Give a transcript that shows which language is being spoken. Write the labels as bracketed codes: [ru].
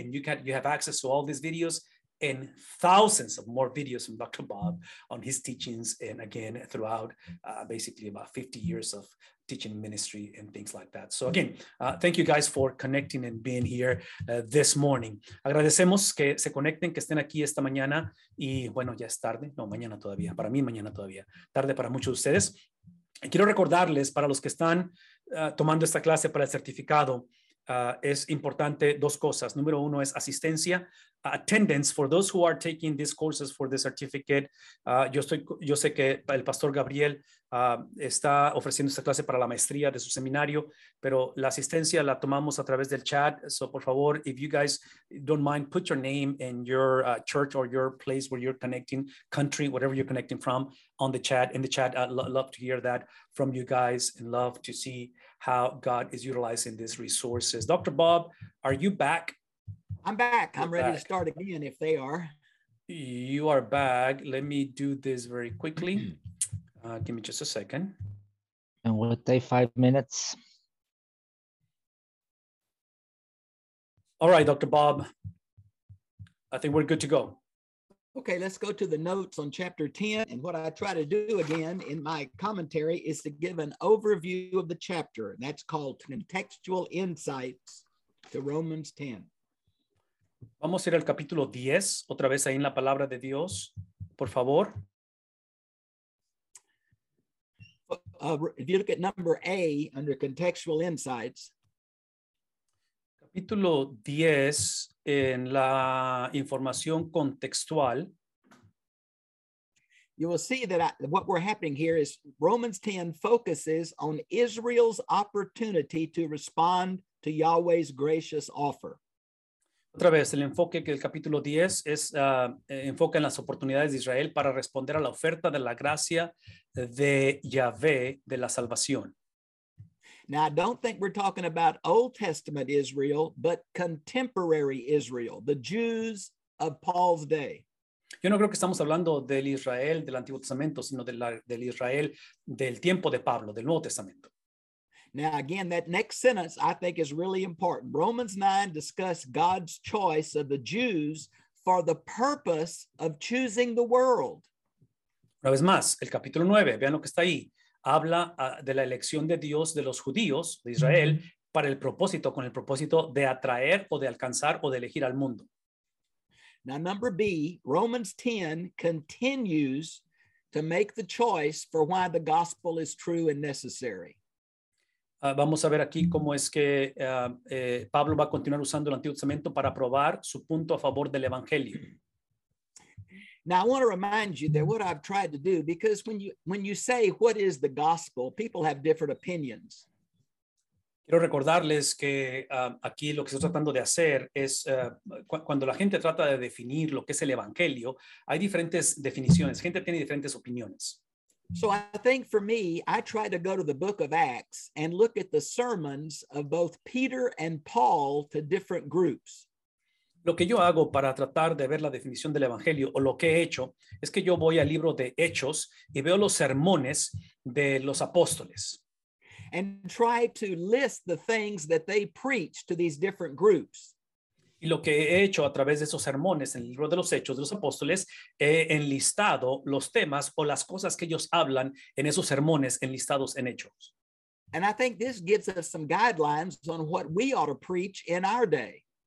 [en] And you have access to all these videos and thousands of more videos from Dr. Bob on his teachings. And again, throughout basically about 50 years of teaching ministry and things like that. So again, thank you guys for connecting and being here this morning. [es] Agradecemos que se conecten, que estén aquí esta mañana. Y bueno, ya es tarde. No, mañana todavía. Para mí, mañana todavía. Tarde para muchos de ustedes. Y quiero recordarles, para los que están tomando esta clase para el certificado, es importante dos cosas. Número uno es asistencia. [en] Attendance for those who are taking these courses for the certificate. [es] Yo sé que el pastor Gabriel está ofreciendo esta clase para la maestría de su seminario, pero la asistencia la tomamos a través del chat. [en] So, [es] por favor, [en] if you guys don't mind, put your name and your church or your place where you're connecting, country, whatever you're connecting from, on the chat. In the chat, I'd love to hear that from you guys and love to see how God is utilizing these resources. Dr. Bob, are you back? I'm back. I'm ready to start again if they are. You are back. Let me do this very quickly. Give me just a second. And what day, 5 minutes? All right, Dr. Bob. I think we're good to go. Okay, let's go to the notes on chapter 10. And what I try to do again in my commentary is to give an overview of the chapter. And that's called Contextual Insights to Romans 10. [es] Vamos a ir al capítulo 10, otra vez ahí en la palabra de Dios, por favor. [en] If you look at number A under Contextual Insights. [es] Capítulo 10 en la información contextual. [en] You will see that what we're happening here is Romans 10 focuses on Israel's opportunity to respond to Yahweh's gracious offer. [es] Otra vez, el enfoque que el capítulo 10 es enfoca en las oportunidades de Israel para responder a la oferta de la gracia de Yahvé de la salvación. [en] Now, I don't think we're talking about Old Testament Israel, but contemporary Israel, the Jews of Paul's day. [es] Yo no creo que estamos hablando del Israel del Antiguo Testamento, sino del Israel del tiempo de Pablo, del Nuevo Testamento. [en] Now, again, that next sentence I think is really important. Romans 9 discusses God's choice of the Jews for the purpose of choosing the world. [es] Una vez más, el capítulo 9, vean lo que está ahí. Habla de la elección de Dios de los judíos, de Israel, para el propósito, con el propósito de atraer o de alcanzar o de elegir al mundo. [en] Now, number B, Romans 10 continues to make the choice for why the gospel is true and necessary. [es] Vamos a ver aquí cómo es que Pablo va a continuar usando el Antiguo Testamento para probar su punto a favor del Evangelio. [en] Now, I want to remind you that what I've tried to do, because when you say what is the gospel, people have different opinions. [es] Quiero recordarles que aquí lo que estoy tratando de hacer es, cuando la gente trata de definir lo que es el Evangelio, hay diferentes definiciones, gente tiene diferentes opiniones. [en] So I think for me, I try to go to the book of Acts and look at the sermons of both Peter and Paul to different groups. [es] Lo que yo hago para tratar de ver la definición del evangelio o lo que he hecho es que yo voy al libro de Hechos y veo los sermones de los apóstoles. [en] And try to list the things that they preach to these different groups. [es] Y lo que he hecho a través de esos sermones en el libro de los Hechos de los Apóstoles, he enlistado los temas o las cosas que ellos hablan en esos sermones enlistados en Hechos. [en] And I think this gives us some guidelines on what we ought to preach in our day.